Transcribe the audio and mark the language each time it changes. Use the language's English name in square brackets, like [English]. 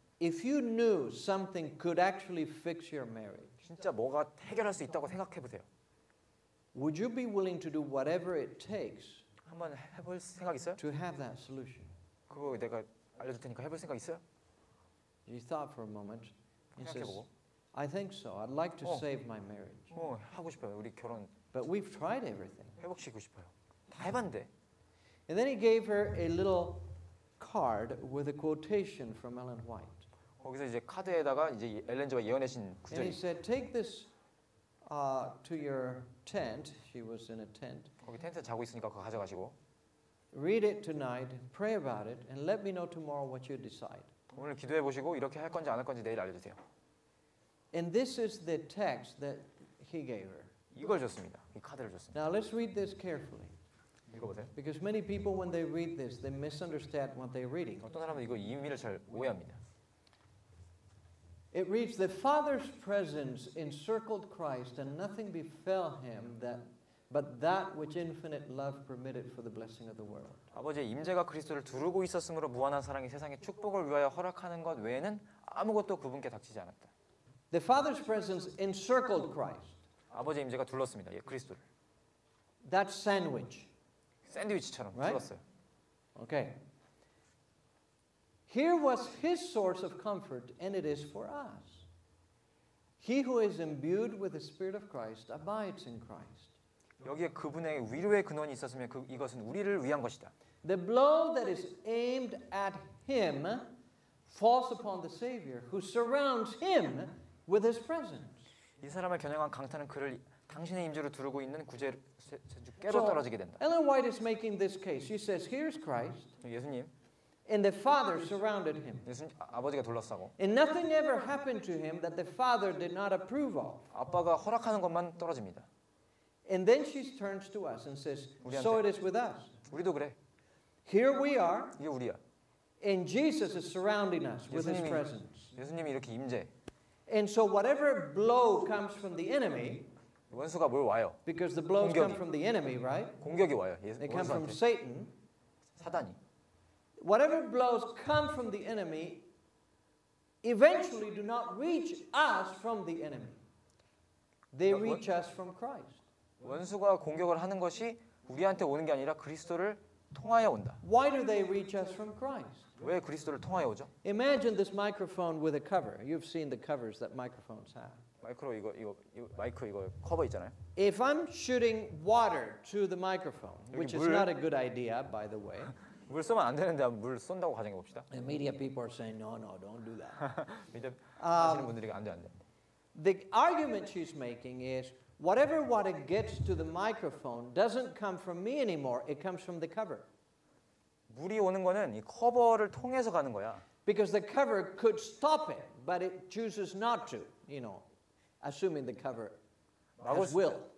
[English] if you knew something could actually fix your marriage, [Korean] 진짜 뭐가 해결할 수 있다고 생각해 보세요. [English] Would you be willing to do whatever it takes? [Korean] 한번 해볼 생각 있어요? [English] To have that solution. [Korean] 그거 내가 알려줄 테니까 해볼 생각 있어요? [English] He thought for a moment. [Korean] 생각해보고. [English] I think so. I'd like to save my marriage. [Korean] 어, 하고 싶어요. 우리 결혼. [English] But we've tried everything. [Korean] 회복시키고 싶어요. 다 해봤는데. [English] And then he gave her a little card with a quotation from Ellen White. [Korean] 거기서 이제 카드에다가 이제 엘렌즈와 예언하신 구절이. [English] And he said, "Take this to your tent." She was in a tent. [Korean] 거기 텐트 자고 있으니까 그거 가져가시고. [English] "Read it tonight. Pray about it, and let me know tomorrow what you decide." [Korean] 오늘 기도해 보시고 이렇게 할 건지 안 할 건지 내일 알려주세요. [English] And this is the text that he gave her. [Korean] 이걸 줬습니다. 이 카드를 줬습니다. [English] Now let's read this carefully. [Korean] 읽어보세요. [English] Because many people, when they read this, they misunderstand what they're reading. [Korean] 어떤 사람은 이거 의미를 잘 오해합니다. [English] It reads, "The Father's presence encircled Christ, and nothing befell him that But that which infinite love permitted for the blessing of the world. [Korean] 아버지 임재가 그리스도를 두르고 있었으므로 무한한 사랑이 세상에 축복을 위하여 허락하는 것 외에는 아무것도 그분께 닥치지 않았다. [English] The Father's presence encircled Christ. [Korean] 아버지 임재가 둘렀습니다. 예, 그리스도를. [English] That sandwich. [Korean] 샌드위치처럼 [English] right? [Korean] 둘렀어요. [English] Okay. Here was his source of comfort, and it is for us. He who is imbued with the Spirit of Christ abides in Christ. [Korean] 여기에 그분의 위로의 근원이 있었으면 이것은 우리를 위한 것이다. [English] The blow that is aimed at him falls upon the Savior who surrounds him with his presence. [Korean] 이 사람을 겨냥한 강탄은 그를 당신의 임재로 두르고 있는 구제주께로 떨어지게 된다. [English] Ellen White is making this case. She says, "Here's Christ." [Korean] 예수님. [English] And the Father surrounded him. [Korean] 예수님, 아버지가 둘러싸고. [English] And nothing ever happened to him that the Father did not approve of. [Korean] 아빠가 허락하는 것만 떨어집니다. [English] And then she turns to us and says, [Korean] 우리한테, [English] "So it is with us." [Korean] 우리도 그래. [English] Here we are. [Korean] 이게 우리야. [English] And Jesus is surrounding us 예수님이, with His presence. [Korean] 예수님이 이렇게 임재. [English] And so whatever blow comes from the enemy. [Korean] 원수가 뭘 와요? [English] Because the blows [Korean] 공격이. [English] come from the enemy, right? [Korean] 공격이 와요. 예, [English] They come from Satan. [Korean] 사단이. [English] Whatever blows come from the enemy eventually do not reach us from the enemy. They reach us from Christ. [Korean] 원수가 공격을 하는 것이 우리한테 오는 게 아니라 그리스도를 통하여 온다. [English] Why do they reach us from Christ? [Korean] 왜 그리스도를 통하여 오죠? [English] Imagine this microphone with a cover. You've seen the covers that microphones have. [Korean] 마이크로 이거 커버 있잖아요. [English] If I'm shooting water to the microphone, which [Korean] 물, [English] is not a good idea by the way. [Korean] 물 쏘면 안 되는데 물 쏜다고 가정해 봅시다. [English] The media people are saying no, no, don't do that. [Korean] 미디어 하시는 분들이 안 돼. [English] The argument she's making is whatever water gets to the microphone doesn't come from me anymore. It comes from the cover. [Korean] 물이 오는 거는 이 커버를 통해서 가는 거야. [English] Because the cover could stop it, but it chooses not to, you know. Assuming the cover has will.